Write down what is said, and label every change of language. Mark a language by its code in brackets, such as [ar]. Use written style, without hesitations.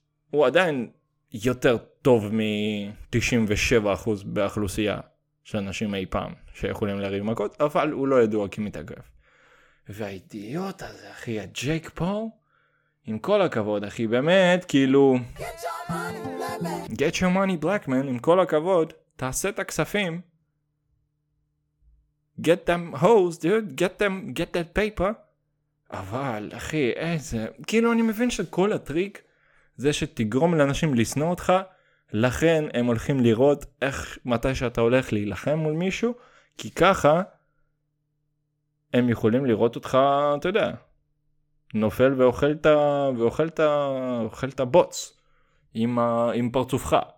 [he] הוא עדיין יותר טוב מ-97% באוכלוסייה של אנשים אי פעם, שיכולים לריב מכות, אבל הוא לא ידוע כמתאגרף. והאידיוט הזה, אחי, הג'ייק פול, עם כל הכבוד, אחי, באמת, כאילו... [en] Get your money, black man, [he] עם כל הכבוד, תעשה את הכספים. [en] Get them hoes, dude, get that paper. [he] אבל, אחי, איזה... כאילו, אני מבין שכל הטריק זה שתגרום לאנשים לסנוע אותך, לכן הם הולכים לראות איך, מתי שאתה הולך להילחם מול מישהו, כי ככה הם יכולים לראות אותך, אתה יודע... נופל ואוכל את הבוץ עם פרצופך.